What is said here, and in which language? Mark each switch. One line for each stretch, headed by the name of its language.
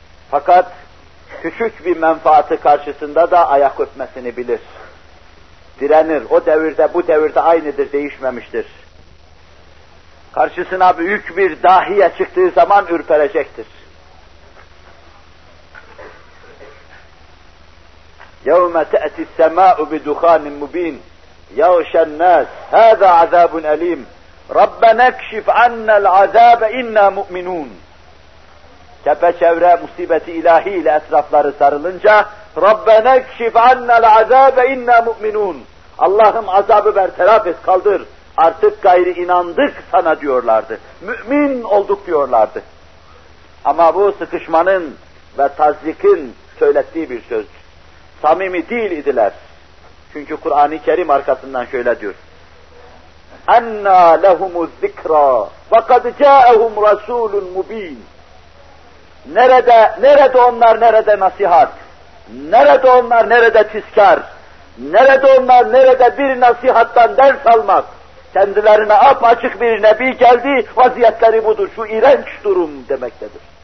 Turkish: Fakat küçük bir menfaati karşısında da ayak öpmesini bilir. Direnir. O devirde, bu devirde aynıdır, değişmemiştir. Karşısına büyük bir dahiye çıktığı zaman ürperecektir.
Arabic: يَوْمَ تَأْتِ السَّمَاءُ بِدُخَانٍ مُّب۪ينَ يَغْشَ النَّاسِ هَذَا عَذَابٌ أَل۪يمٌ رَبَّنَا اكْشِفْ عَنَّا الْعَذَابَ اِنَّا مُؤْمِنُونَ
Turkish: Çepeçevre musibeti ilahi ile etrafları sarılınca
Arabic: رَبَّنَا اكْشِفْ عَنَّا الْعَذَابَ اِنَّا مُؤْمِنُونَ
Turkish: Allah'ım azabı bertaraf et, kaldır. Artık gayri inandık sana diyorlardı. Mümin olduk diyorlardı. Ama bu sıkışmanın ve tazyikin söylettiği bir söz. Samimi değil idiler. Çünkü Kur'an-ı Kerim arkasından şöyle diyor.
Arabic: اَنَّا لَهُمُ الذِّكْرَى وَقَدْ جَاءَهُمْ رَسُولٌ مُب۪ينَ
Turkish: Nerede onlar, nerede nasihat? Nerede onlar, nerede tiskar? Nerede onlar, nerede bir nasihattan ders almak? Kendilerine apaçık bir nebi geldi, vaziyetleri budur. Şu iğrenç durum demektedir.